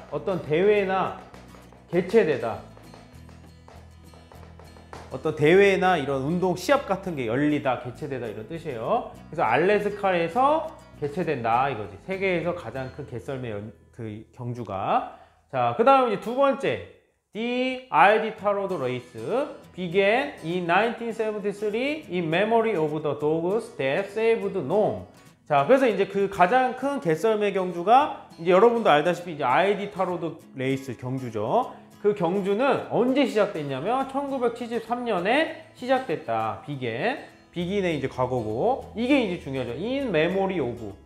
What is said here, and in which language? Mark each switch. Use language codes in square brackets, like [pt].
[ko] 어떤 대회나 개최되다. 어떤 대회나 이런 운동 시합 같은 게 열리다, 개최되다 이런 뜻이에요. 그래서 알래스카에서 개최된다 이거지. 세계에서 가장 큰 개썰매 그 경주가. 자, 그다음 이제 두 번째. [en] The Aldi Tarod Race began in 1973 in memory of the dogs that saved Nome. [ko] 자, 그래서 이제 그 가장 큰 개썰매 경주가 이제 여러분도 알다시피 이제 Aldi Tarod Race 경주죠. 그 경주는 언제 시작됐냐면 1973년에 시작됐다. Begin의 이제 과거고 이게 이제 중요하죠. [en] In memory of.